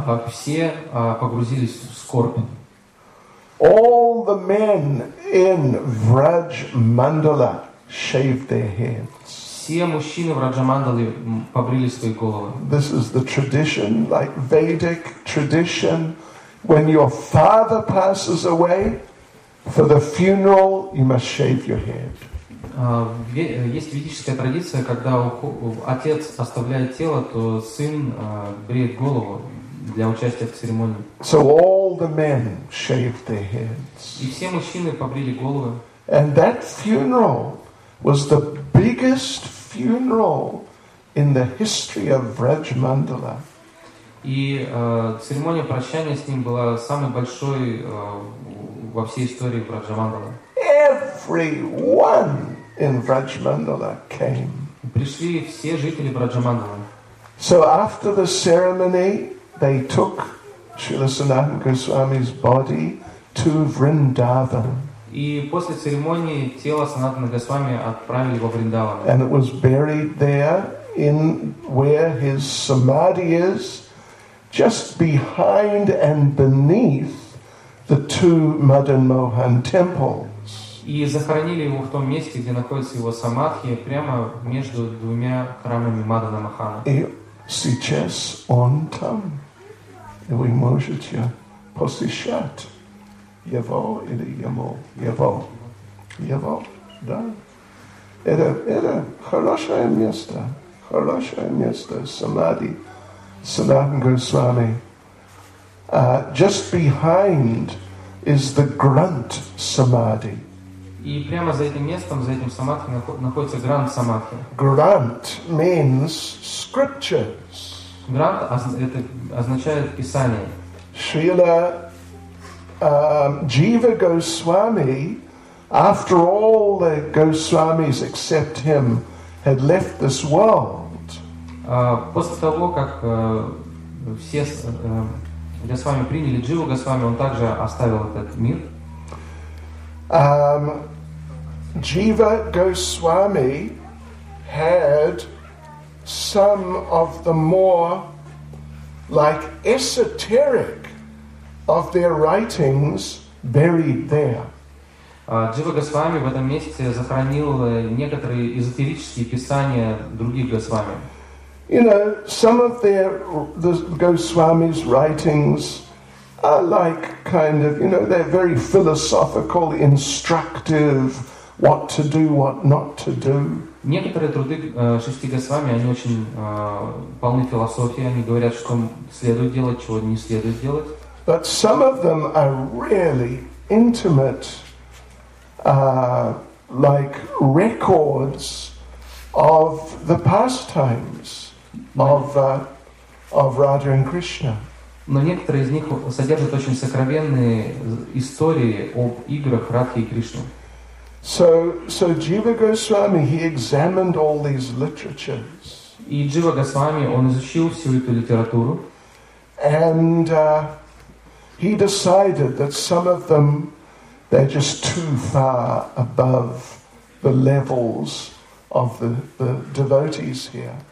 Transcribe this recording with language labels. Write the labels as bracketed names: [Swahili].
[Russian] Все погрузились в скорбь. [English] All the men in Vraj Mandala shaved their heads. [Russian] Все мужчины в Раджамандале побрили свои головы. [English] This is the tradition, like Vedic tradition. When your father passes away, for the funeral, you must shave your head. [Russian] Есть ведическая традиция, когда отец оставляет тело, то сын бреет голову для участия в церемонии. [English] So all the men shaved their heads. [Russian] И все мужчины побрили головы. [English] And that funeral was the biggest funeral in the history of Brajmandala. [Russian] И церемония прощания с ним была самой большой во всей истории Брадж-Мандалы. [English] Everyone in Brajmandala came. [Russian] Пришли все жители Брадж-Мандалы. [English] So after the ceremony, they took Srila Sanatana Goswami's body to Vrindavan. [Russian] И после церемонии тело Санатана Госвами отправили во Вриндаван. [English] And it was buried there in where his samadhi is, just behind and beneath the two Madan Mohan temples. [Russian] И захоронили его в том месте, где находится его самадхи, прямо между двумя храмами Мадана Махана. И сейчас он там. И вы можете посещать его или ему. Его. Его. Да. Это хорошее место. Хорошее место. Самадхи. Sanatana Goswami. [English] Just behind is the Grant Samadhi. [Russian] И прямо за этим местом, за этим самадхи, находится Grant Samadhi. [English] Grant means scriptures. [Russian] Grant это означает писание. [English] Srila Jiva Goswami, after all the Goswamis except him had left this world. [Russian] После того, как все Госвами приняли Дживу Госвами, он также оставил этот мир. [English] Jiva Goswami had some of the more like esoteric of their writings buried there. [Russian] Джива Госвами в этом месте захоронил некоторые эзотерические писания других Госвами. [English] You know, some of the Goswami's writings are like kind of, you know, they're very philosophical, instructive, what to do, what not to do. [Russian] Некоторые труды шести Госвами, они очень полны философии, они говорят, что следует делать, чего не следует делать. [English] But some of them are really intimate, like records of the pastimes. Of Radha and Krishna. [Russian] Но некоторые из них содержат очень сокровенные истории об играх Радхи и Кришны. [English] So Jiva Goswami, he examined all these literatures. [Russian] И Джива Госвами, он изучил всю эту литературу. [English] And he decided that some of them, they're just too far above the levels of the devotees here.